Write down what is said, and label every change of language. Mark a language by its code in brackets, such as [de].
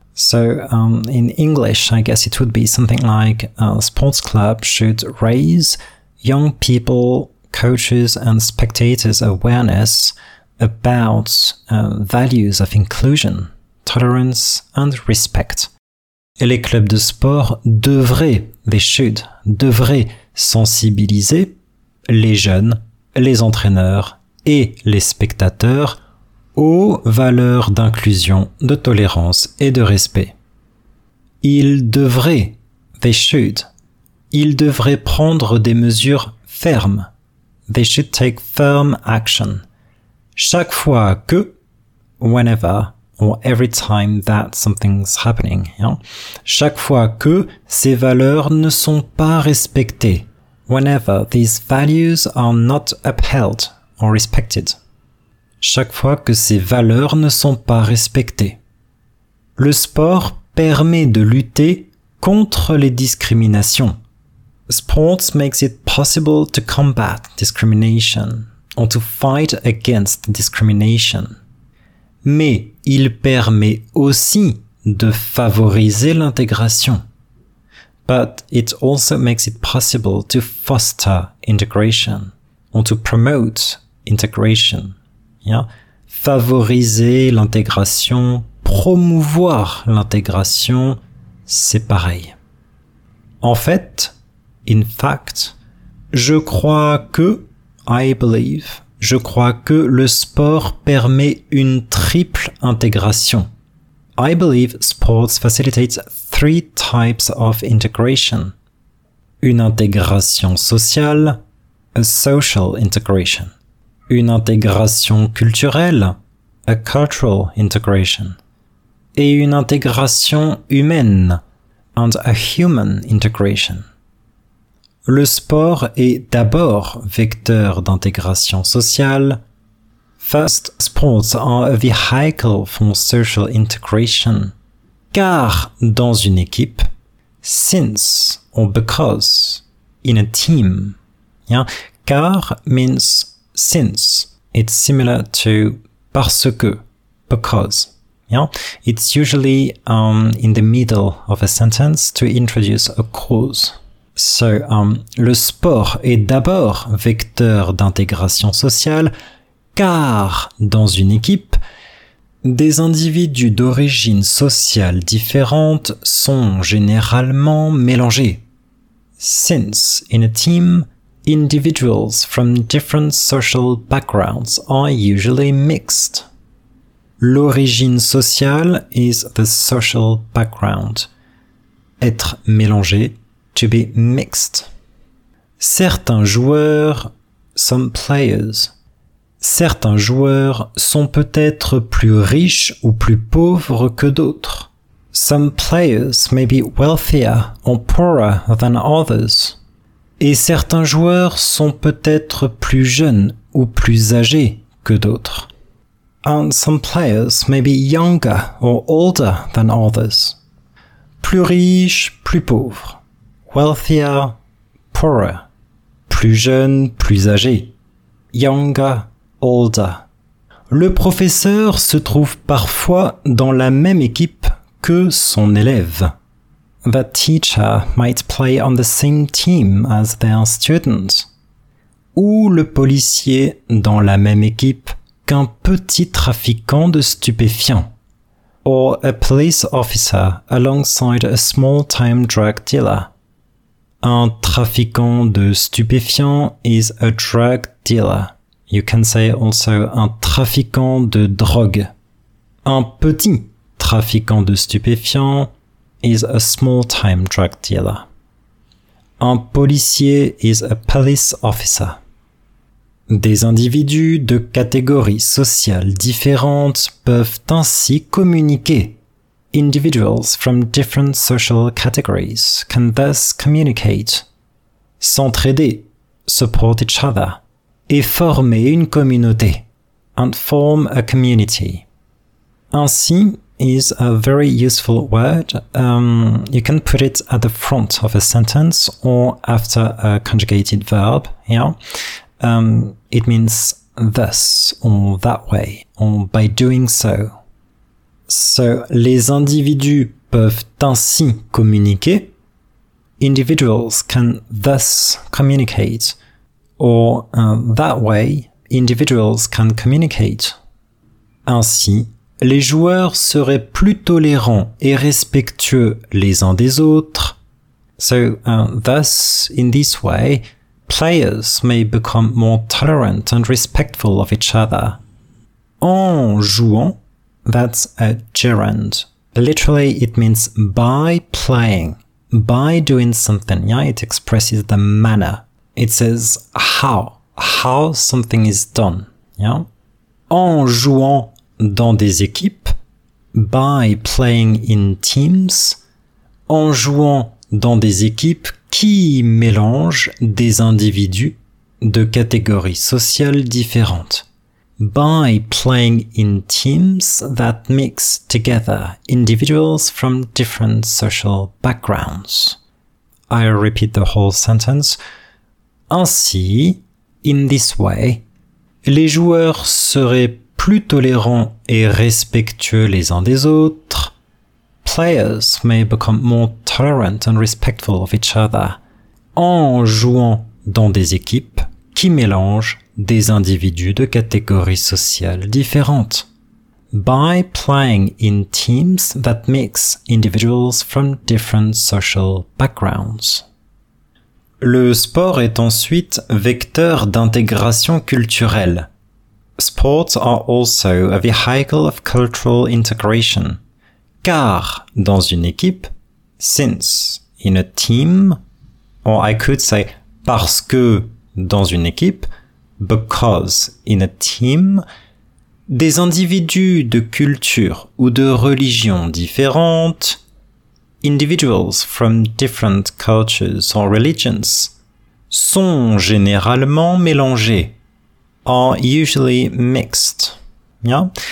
[en] So, in English, I guess it would be something like a sports club should raise young people, coaches and spectators' awareness about values of inclusion, tolerance and respect. [fr] Et les clubs de sport devraient, [en] they should, [fr] devraient sensibiliser les jeunes, les entraîneurs et les spectateurs aux valeurs d'inclusion, de tolérance et de respect. Ils devraient, [en] they should, [fr] ils devraient prendre des mesures fermes, [en] they should take firm action, [fr] chaque fois que, [en] whenever, or every time that something's happening, yeah? [fr] Chaque fois que ces valeurs ne sont pas respectées, [en] whenever these values are not upheld or respected, [fr] chaque fois que ces valeurs ne sont pas respectées. Le sport permet de lutter contre les discriminations. [en] Sports makes it possible to combat discrimination or to fight against discrimination. [fr] Mais il permet aussi de favoriser l'intégration. [en] But it also makes it possible to foster integration or to promote integration. Yeah? [fr] Favoriser l'intégration, promouvoir l'intégration, c'est pareil. En fait, [en] in fact, [fr] je crois que, [en] I believe, [fr] je crois que le sport permet une triple intégration. [en] I believe sports facilitates three types of integration. [fr] Une intégration sociale, [en] a social integration. [fr] Une intégration culturelle, [en] a cultural integration. [fr] Et une intégration humaine, [en] and a human integration. [fr] Le sport est d'abord vecteur d'intégration sociale. [en] First, sports are a vehicle for social integration. [fr] Car dans une équipe, [en] since or because, in a team. Yeah? Car means since. It's similar to parce que, because. Yeah? It's usually in the middle of a sentence to introduce a cause. [fr] So, le sport est d'abord vecteur d'intégration sociale, car dans une équipe, des individus d'origine sociale différente sont généralement mélangés. [en] Since, in a team, individuals from different social backgrounds are usually mixed. L'origine sociale is the social background. [fr] Être mélangé. [en] To be mixed. [fr] Certains joueurs, [en] some players, [fr] certains joueurs sont peut-être plus riches ou plus pauvres que d'autres. [en] Some players may be wealthier or poorer than others. [fr] Et certains joueurs sont peut-être plus jeunes ou plus âgés que d'autres. [en] And some players may be younger or older than others. [fr] Plus riches, plus pauvres. [en] Wealthier, poorer. [fr] Plus jeune, plus âgé. [en] Younger, older. [fr] Le professeur se trouve parfois dans la même équipe que son élève. [en] The teacher might play on the same team as their student. [fr] Ou le policier dans la même équipe qu'un petit trafiquant de stupéfiants. [en] Or a police officer alongside a small-time drug dealer. [fr] Un trafiquant de stupéfiants [en] is a drug dealer. You can say also [fr] un trafiquant de drogue. Un petit trafiquant de stupéfiants [en] is a small-time drug dealer. Un policier is a police officer. [fr] Des individus de catégories sociales différentes peuvent ainsi communiquer. [en] Individuals from different social categories can thus communicate, [fr] s'entraider, [en] support each other, [fr] et former une communauté, [en] and form a community. Ainsi, is a very useful word. You can put it at the front of a sentence or after a conjugated verb. Yeah. It means thus or that way or by doing so. [fr] So, les individus peuvent ainsi communiquer. [en] Individuals can thus communicate. Or that way, individuals can communicate. [fr] Ainsi, les joueurs seraient plus tolérants et respectueux les uns des autres. [en] So, thus, in this way, players may become more tolerant and respectful of each other. En jouant, that's a gerund. Literally, it means by playing, by doing something. Yeah, it expresses the manner. It says how something is done. [fr] Yeah, en jouant dans des équipes, [en] by playing in teams, [fr] en jouant dans des équipes qui mélangent des individus de catégories sociales différentes. [en] By playing in teams that mix together individuals from different social backgrounds. I repeat the whole sentence. [fr] Ainsi, [en] in this way, [fr] les joueurs seraient plus tolérants et respectueux les uns des autres. [en] Players may become more tolerant and respectful of each other [fr] en jouant dans des équipes qui mélangent des individus de catégories sociales différentes. [en] By playing in teams that mix individuals from different social backgrounds. [fr] Le sport est ensuite vecteur d'intégration culturelle. [en] Sports are also a vehicle of cultural integration. [fr] Car, dans une équipe, [en] since, in a team, or I could say, [fr] parce que, dans une équipe, [en] because, in a team, [fr] des individus de culture ou de religion différentes, [en] individuals from different cultures or religions, [fr] sont généralement mélangés, [en] are usually mixed. Yeah?